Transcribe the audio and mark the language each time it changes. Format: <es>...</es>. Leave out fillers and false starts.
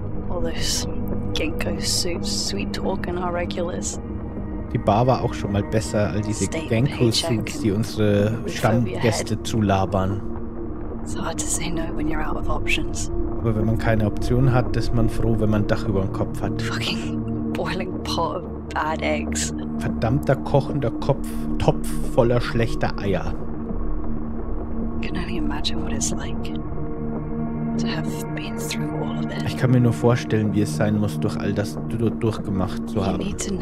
<en>All those ginkgo suits, sweet talking our regulars.</en> <de>Die Bar war auch schon mal besser, all diese ginkgo suits, die unsere Stammgäste zulabern.</de> <en>It's hard to say no when you're out of options.</en> <de>Aber wenn man keine Option hat, ist man froh, wenn man ein Dach über dem Kopf hat.</de> <en>Fucking boiling pot of bad eggs.</en> <de>Verdammter kochender Kopf, Topf voller schlechter Eier. Ich kann mir nur vorstellen, wie es sein muss, durch all das durchgemacht zu haben.</de>